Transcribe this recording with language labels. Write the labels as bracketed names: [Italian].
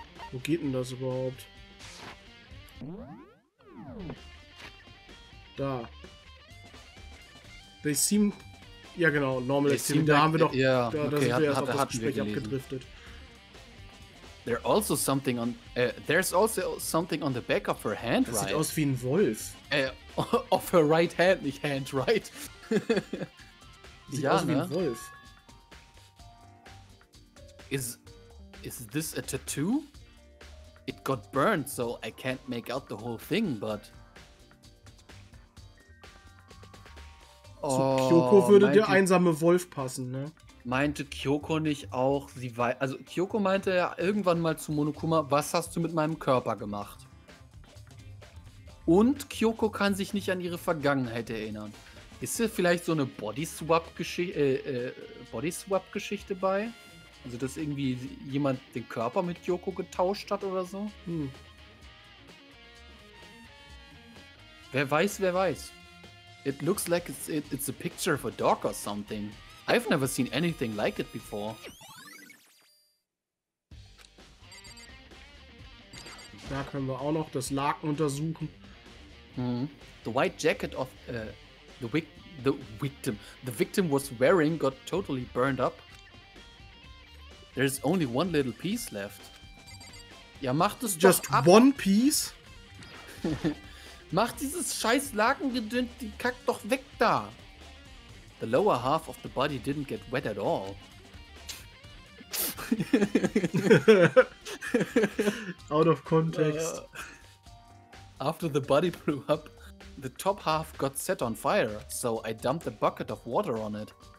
[German] Wo geht denn das überhaupt? Da. [English] They seem... [German] Ja, genau, Normal Activity. Da haben wir doch. Ja, okay, da sind wir erst auf das Gespräch abgedriftet. [English] There's also something on the back of her hand, right? [German] Sieht aus wie ein Wolf. [English] Of her right hand, [German] nicht [English] hand, right? [German] Sieht aus wie ein Wolf. [English] Is this a tattoo? It got burned, so I can't make out the whole thing, but. [German] Zu Kyoko würde der einsame Wolf passen, ne? Meinte Kyoko nicht auch, sie weiß. Also, Kyoko meinte ja irgendwann mal zu Monokuma, was hast du mit meinem Körper gemacht? Und Kyoko kann sich nicht an ihre Vergangenheit erinnern. Ist hier vielleicht so eine Body-Swap-Geschichte bei? Also, dass irgendwie jemand den Körper mit Kyoko getauscht hat oder so? Wer weiß. [English] It looks like it's a picture of a dog or something. I've never seen anything like it before. [German] Da können wir auch noch das Laken untersuchen. [English] The white jacket of the victim was wearing got totally burned up. There's only one little piece left. [German] Ja, mach das [English] just [German] doch ab. [English] One piece? [German] Mach dieses scheiß Lakengedünt, die kackt doch weg da! [English] The lower half of the body didn't get wet at all. Out of context. After the body blew up, the top half got set on fire, so I dumped a bucket of water on it.